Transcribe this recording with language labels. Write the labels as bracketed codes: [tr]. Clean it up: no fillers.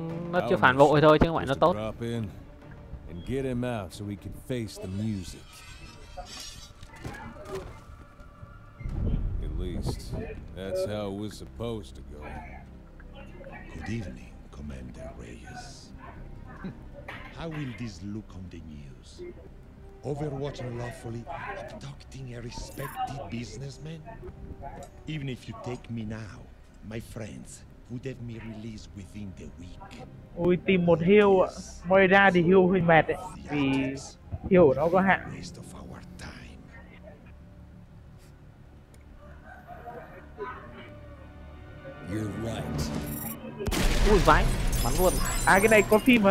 [vi] Nó chưa phản bội thôi chứ không phải nó tốt. [en] And get him out so we can face the music. At least, that's how it was supposed to go. Good evening, Commander Reyes. How will this look on the news? Overwatch unlawfully abducting a respected businessman? Even if you take me now, my friends would have me released within the week. [vi] Ui, tìm một heal ạ. Moira thì heal hơi mệt ấy. Vì heal nó có hạn. [en] Waste of our time. You're right. [vi] Ui, vãi. Bắn luôn. À, cái này có phim hả?